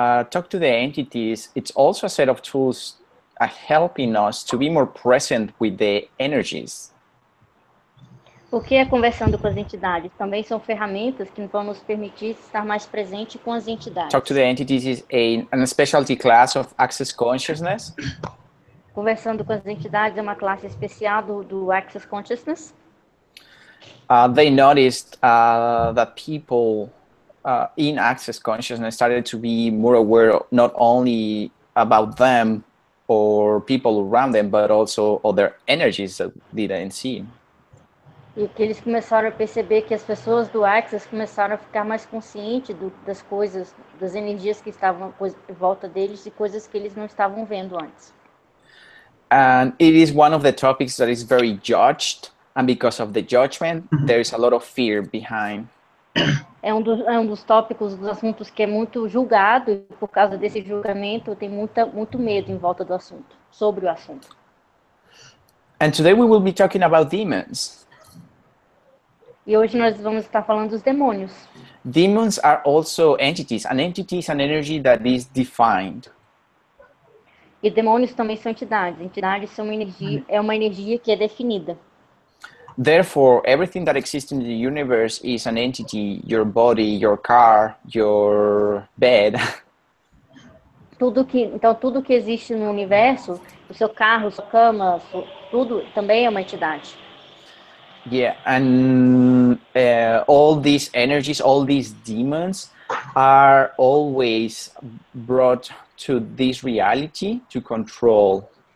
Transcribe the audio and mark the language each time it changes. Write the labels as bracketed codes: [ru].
[en] Talk to the entities, it's also a set of tools helping us to be more present with the energies. [pt] O que é conversando com as entidades? Também são ferramentas que vão nos permitir estar mais presente com as entidades. [en] Talk to the entities is a specialty class of access consciousness. [pt] Conversando com as entidades é uma classe especial do access consciousness. [en] They noticed that people in access consciousness started to be more aware not only about them or people around them, but also other energies that they didn't see. [pt] E que eles começaram a perceber que as pessoas do Access começaram a ficar mais conscientes das coisas, das energias que estavam em volta deles e coisas que eles não estavam vendo antes. [en] And it is one of the topics that is very judged, and because of the judgment, there is a lot of fear behind. [pt] É um dos tópicos, dos assuntos que é muito julgado, e por causa desse julgamento tem muito medo em volta do assunto, sobre o assunto. [en] And today we will be talking about demons. [pt] E hoje nós vamos estar falando dos demônios. [en] Demons are also entities. An entity is an energy that is defined. [pt] E demônios também são entidades. Entidades são energia, é uma energia que é definida. [en] Therefore, everything that exists in the universe is an entity. Your body, your car, your bed. [pt] Tudo que existe no universo, o seu carro, sua cama, tudo também é uma entidade. [en] Yeah, and all these energies, all these demons are always brought to this reality to control.